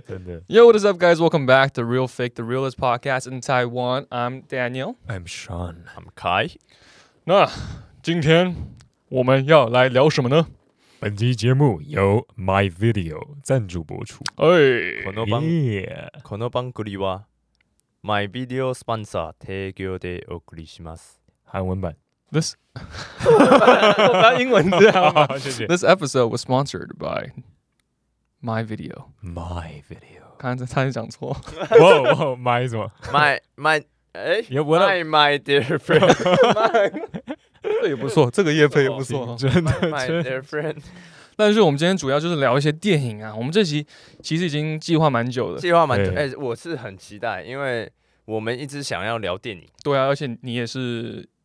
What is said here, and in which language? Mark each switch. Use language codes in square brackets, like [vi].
[zh] 真的。 [en] Yo, what is up, guys? Welcome back to Real Fake, the Realest Podcast in Taiwan. I'm Daniel. I'm Sean. I'm Kai. [zh] 那今天我们要来聊什么呢？本期节目由 My Video 赞助播出。哎， [ja] この番、 yeah. この番組は My Video Sponsor 提供でお送りします。 [zh] 韩文版。 This 我不要英文这样吗？谢谢。 [en] This episode was sponsored by My Video. My Video. [zh] 刚才差点讲错。 [en] Whoa, whoa, my 什么？My my 哎、欸、，My my dear friend 。 [zh] 这也不错，这个业费也不错，真的。 [en] My dear friend， [zh] 但是我们今天主要就是聊一些电影啊。我们这集其实已经计划蛮久了，计划蛮久。哎、欸，我是很期待，因为我们一直想要聊电影。对啊，而且你也是